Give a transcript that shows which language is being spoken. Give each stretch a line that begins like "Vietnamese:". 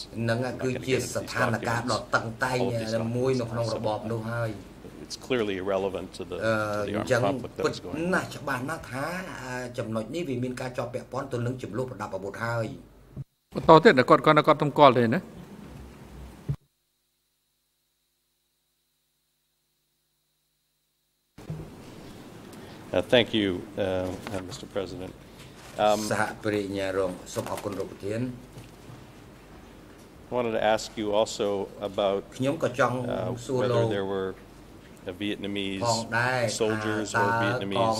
Khmer: នឹងគឺជាស្ថានភាពដ៏តឹងតែងមួយនៅក្នុងរបបនោះហើយ
English: It's clearly irrelevant to the armed conflict that's going on.
Khmer: ណាស់ច្បាស់ណាស់ថាចំណុចនេះវាមានការជាប់ពាក់ព័ន្ធទៅនឹងចំនួនប្រដាប់អាវុធហើយ បន្តទៀតគាត់គាត់ទៅគាត់ទំគាល់ទេណា
English: Thank you, Mr. President.
Khmer: សហប្រធានរងសូមអរគុណលោកប្រធាន
English: I wanted to ask you also about
Khmer: ខ្ញុំក៏ចង់សួរលោក
English: whether there were Vietnamese soldiers or Vietnamese